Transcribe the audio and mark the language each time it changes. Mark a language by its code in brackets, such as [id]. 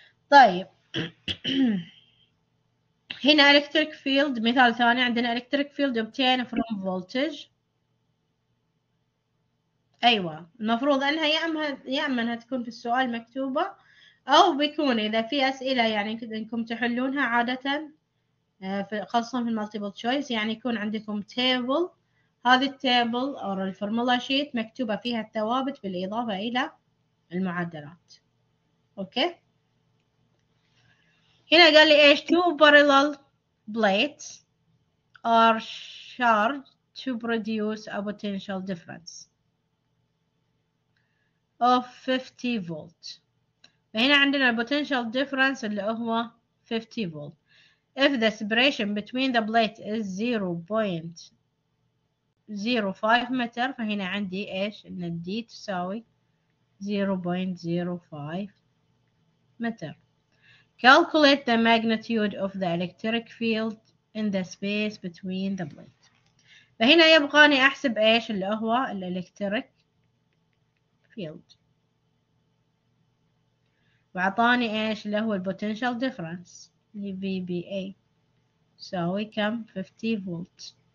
[ar] طيب هنا [en] electric field، [ar] مثال ثاني عندنا [en] electric field obtained from voltage. [ar] أيوة المفروض أنها يا أما تكون في السؤال مكتوبة، أو بيكون إذا في أسئلة يعني إنكم تحلونها عادة خاصة في multiple choice، يعني يكون عندكم table، هذه التابل أو الفورمولا شيت مكتوبة فيها الثوابت بالإضافة إلى المعادلات. أوكي هنا قال لي إيش؟ [en] two parallel plates are charged to produce a potential difference of 50 volt. [ar] فهنا عندنا potential difference اللي هو 50 volt. [en] If the separation between the plate is 0.05 meter، [ar] فهنا عندي إيش؟ إن D تساوي 0.05 متر. [en] Calculate the magnitude of the electric field in the space between the plates. [ar] فهنا يبغاني أحسب إيش اللي هو الإلكتريك فيلد، وعطاني إيش اللي هو البوتنشال ديفرنس اللي V B A يساوي كم؟ 50 فولت.